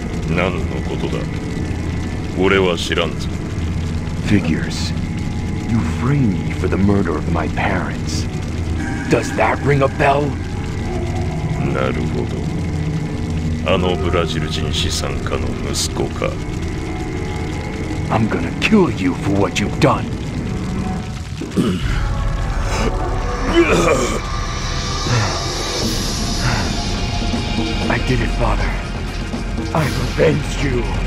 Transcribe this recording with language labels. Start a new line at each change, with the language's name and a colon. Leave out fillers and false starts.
Japanese: 何のことだ？俺は知らんぞ。
English: Figures. You framed me for the murder of my parents. Does that ring a bell?
Japanese: なるほど。あのブラジル人資産家の息子か。
English: I'm gonna kill you for what you've done. I did it, father. I revenged you.